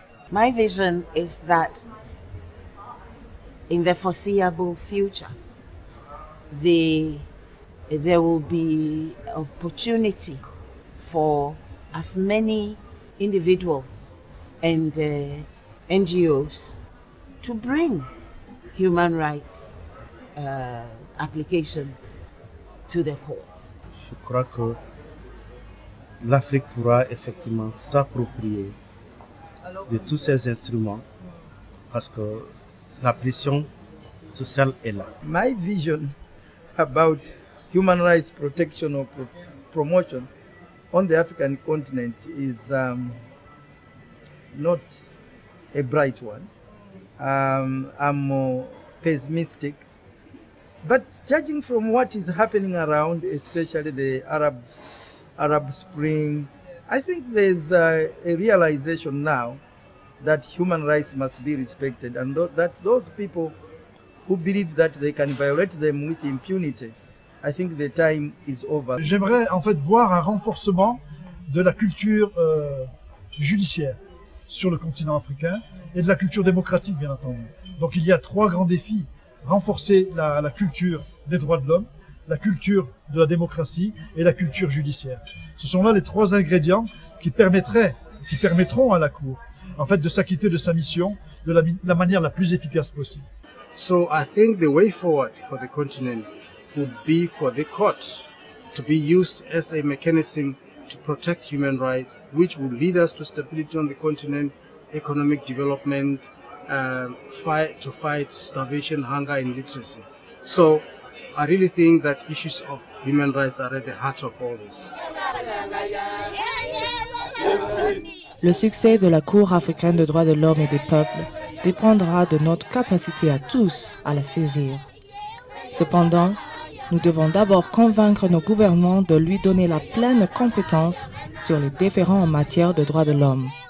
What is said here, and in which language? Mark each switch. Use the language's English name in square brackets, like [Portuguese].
[English] My vision is that in the foreseeable future, there will be opportunity for as many individuals and NGOs to bring human rights applications to the court. [French] Je crois que l'Afrique pourra effectivement s'approprier de tous ces instruments parce que la pression sociale est là. [English] My vision about human rights protection or promotion on the African continent is not a bright one. I'm more pessimistic. But judging from what is happening around, especially the Arab Spring, I think there's a realization now that human rights must be respected, and that those people who believe that they can violate them with impunity, I think the time is over. [French] J'aimerais en fait voir un renforcement de la culture judiciaire sur le continent africain et de la culture démocratique, bien entendu. Donc il y a trois grands défis. Renforcer la culture des droits de l'homme, la culture de la démocratie et la culture judiciaire. Ce sont là les trois ingrédients qui permettront à la Cour en fait, de s'acquitter de sa mission de la manière la plus efficace possible. [English] So I think the way forward for the continent would be for the court to be used as a mechanism to protect human rights, which will lead us to stability on the continent, economic development, to fight starvation, hunger, and illiteracy. So I really think that issues of human rights are at the heart of all this. [French] Le succès de la Cour africaine de droits de l'homme et des peuples dépendra de notre capacité à tous à la saisir. Cependant, nous devons d'abord convaincre nos gouvernements de lui donner la pleine compétence sur les différents en matière de droits de l'homme.